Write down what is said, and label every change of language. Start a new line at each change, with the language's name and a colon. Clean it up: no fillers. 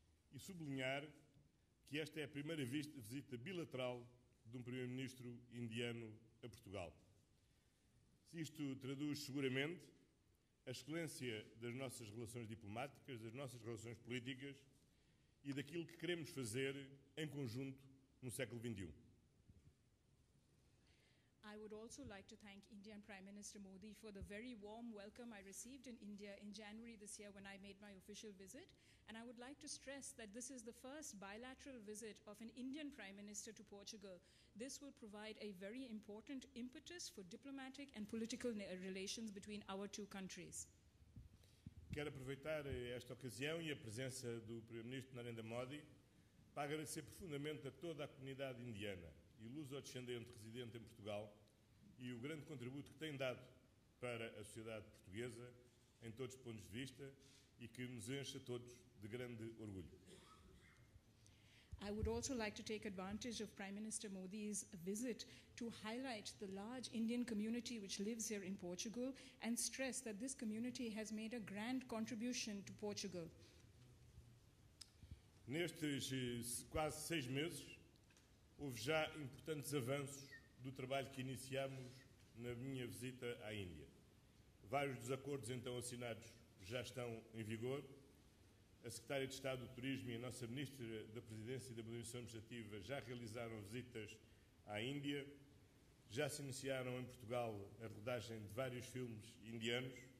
Portuguese: E sublinhar que esta é a primeira visita bilateral de um primeiro-ministro indiano a Portugal. Isto traduz seguramente a excelência das nossas relações diplomáticas, das nossas relações políticas e daquilo que queremos fazer em conjunto no século XXI.
English: I would also like to thank Indian Prime Minister Modi for the very warm welcome I received in India in January this year when I made my official visit. And I would like to stress that this is the first bilateral visit of an Indian Prime Minister to Portugal. This will provide a very important impetus for diplomatic and political relations between our two countries.
Portuguese: quero aproveitar esta ocasião e a presença do Primeiro-Ministro Narendra Modi para agradecer profundamente a toda a comunidade indiana e luso-descendente residente em Portugal e o grande contributo que tem dado para a sociedade portuguesa em todos os pontos de vista e que nos enche a todos de grande orgulho.
English: I would also like to take advantage of Prime Minister Modi's visit to highlight the large Indian community which lives here in Portugal and stress that this community has made a grand contribution to Portugal.
Portuguese: Nestes quase seis meses, houve já importantes avanços do trabalho que iniciámos na minha visita à Índia. Vários dos acordos então assinados já estão em vigor. A Secretária de Estado do Turismo e a nossa Ministra da Presidência e da Modernização Administrativa já realizaram visitas à Índia, já se iniciaram em Portugal a rodagem de vários filmes indianos,